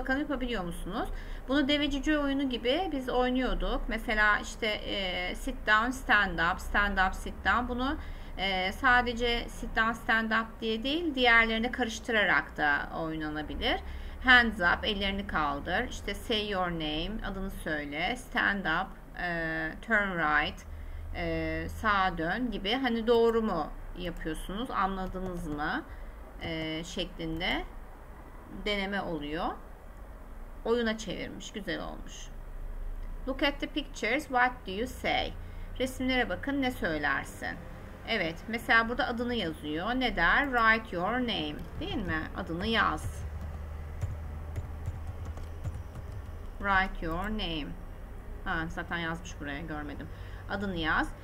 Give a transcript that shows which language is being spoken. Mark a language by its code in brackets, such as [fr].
[tr] Bakalım yapabiliyor musunuz? Bunu devecici oyunu gibi biz oynuyorduk. Mesela işte [en] sit down, stand up, stand up, sit down. [tr] Bunu sadece [en] sit down, stand up [tr] diye değil, diğerlerini karıştırarak da oynanabilir. [en] Hands up, [tr] ellerini kaldır. İşte [en] say your name, [tr] adını söyle. [en] Stand up, turn right, [tr] sağa dön gibi. Hani doğru mu yapıyorsunuz, anladınız mı şeklinde deneme oluyor. Oyuna çevirmiş, güzel olmuş. [en] Look at the pictures, what do you say? [tr] Resimlere bakın, ne söylersin? Evet, mesela burada adını yazıyor. Ne der? [en] Write your name, [tr] değil mi? Adını yaz. [en] Write your name. [tr] Ha, zaten yazmış buraya, görmedim. Adını yaz.